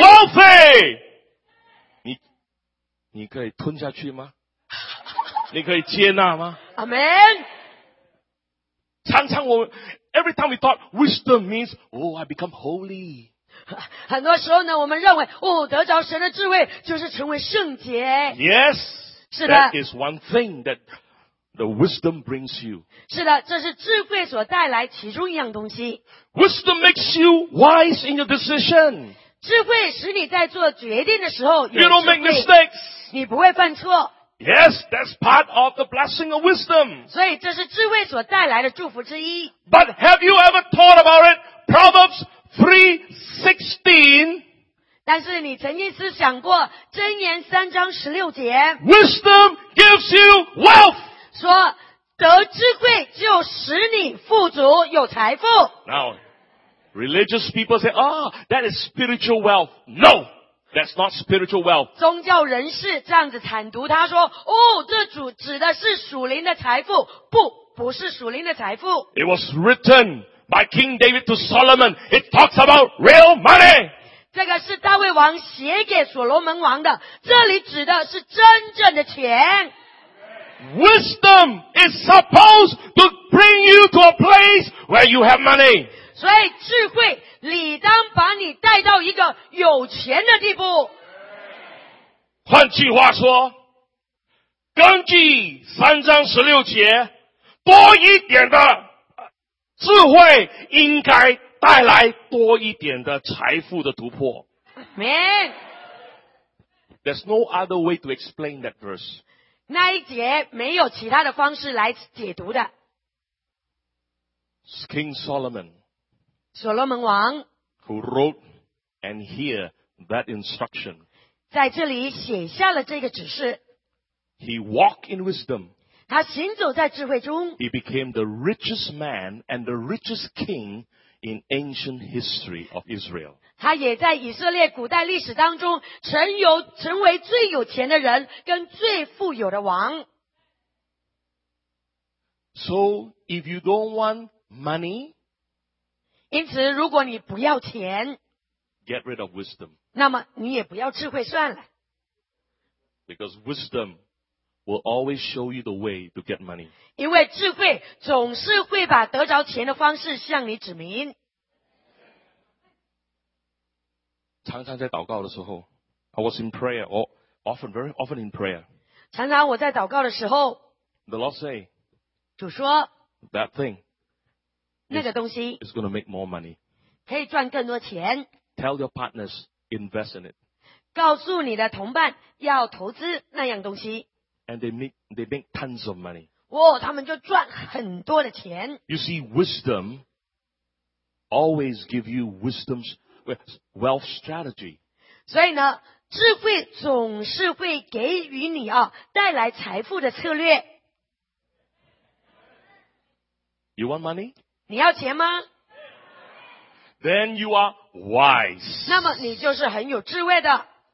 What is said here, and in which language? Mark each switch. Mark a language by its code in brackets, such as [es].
[zh] Wealthy， 你可以吞下去吗？你可以接纳吗 [en] ？Amen。 [zh] 常常我。 [en] Every time we thought wisdom means, oh, I become holy. [zh] 很多时候呢，我们认为，哦，得着神的智慧就是成为圣洁。 [en] Yes. [zh] 是的。 [en] That is one thing that the wisdom brings you. [zh] 是的，这是智慧所带来其中一样东西。 [en] Wisdom makes you wise in your decision. [zh] 智慧使你在做决定的时候有智 [en] 慧。You don't make mistakes. [zh] 你不会犯错。 [en] Yes, that's part of the blessing of wisdom. [zh] 所以这是智慧所带来的祝福之一。 [en] But have you ever thought about it? Proverbs 3:16. [zh] 但是你曾经思想过箴言三章十六节。 [en] Wisdom gives you wealth. [zh] 说得智慧就使你富足有财富。 [en] Now, religious people say, ah,、oh, that is spiritual wealth. No. That's not spiritual wealth. [zh] 宗教人士这样子阐读，他说：“哦，这主指的是属灵的财富，不，不是属灵的财富。” [en] It was written by King David to Solomon. It talks about real money. [zh] 这个是大卫王写给所罗门王的，这里指的是真正的钱。 [en] Wisdom is supposed to bring you to a place where you have money. [zh] 所以智慧理当把你带到一个有钱的地步。换句话说，根据三章十六节，多一点的智慧应该带来多一点的财富的突破。 [en] Man. There's no other way to explain that verse. [zh] 那一节没有其他的方式来解读的。 [en] King Solomon. [zh] 所罗门王 [en] who wrote and hear that instruction, [zh] 在这里写下了这个指示 [en] he walked in wisdom, [zh] 他行走在智慧中 [en] he became the richest man and the richest king in ancient history of Israel, [zh] 他也在以色列古代历史当中成为最有钱的人跟最富有的王 [en] So if you don't want money, [zh] 因此如果你不要钱 [en] Get rid of wisdom. [zh] 那么你也不要智慧算了 [en] Because wisdom will always show you the way to get money. [zh] 因为智慧总是会把得着钱的方式向你指明。常常在祷告的时候 [en] ，I was in prayer, or often, very often in prayer. [zh] 常常我在祷告的时候 [en] ，The Lord say, [zh] 主说 [en] ，That thing, [zh] 那个东西 [en] is going to make more money. [zh] 可以赚更多钱。 [en] Tell your partners, invest in it. [zh] 告诉你的同伴要投资那样东西。 [en] And they make tons of money. [zh] 哇，他们就赚很多的钱。 [en] You see, wisdom always give you wisdom's wealth strategy. [zh] 所以呢，智慧总是会给予你啊，带来财富的策略。 [en] You want money? [zh] 你要钱吗？ [en] Then you are wise. [zh] 那么你就是很有智慧的。